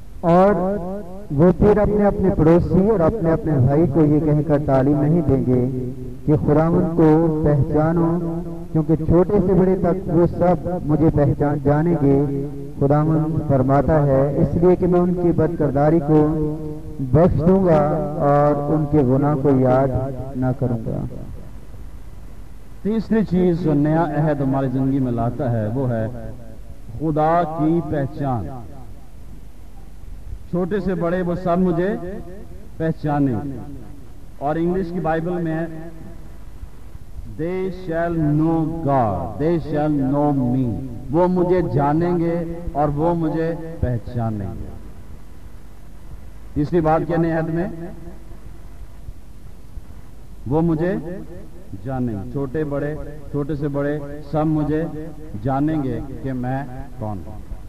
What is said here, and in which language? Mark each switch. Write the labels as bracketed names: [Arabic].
[Urdu] اور وہ پھر اپنے اپنے پڑوسی اور اپنے اپنے بھائی کو یہ کہہ کر تعلیم نہیں دیں گے کہ خداوند کو پہچانو, کیونکہ چھوٹے سے بڑے تک وہ سب مجھے پہچان جانیں گے, خداوند فرماتا ہے, اس لیے کہ میں ان کی بدکرداری کو بخش دوں گا اور ان کے گناہ کو یاد نہ کروں گا. تیسری چیز جو نیا عہد ہماری زندگی میں لاتا ہے وہ ہے خدا کی پہچان. چھوٹے سے بڑے وہ سب مجھے پہچانے. اور انگلش کی بائبل میں [English] They shall know God, they shall know me. [Urdu] وہ مجھے جانیں گے اور وہ مجھے پہچانیں گے. تیسری بات کیا نئے عہد میں؟ وہ مجھے جانیں گے. چھوٹے بڑے, چھوٹے سے بڑے سب مجھے جانیں گے کہ میں کون ہوں.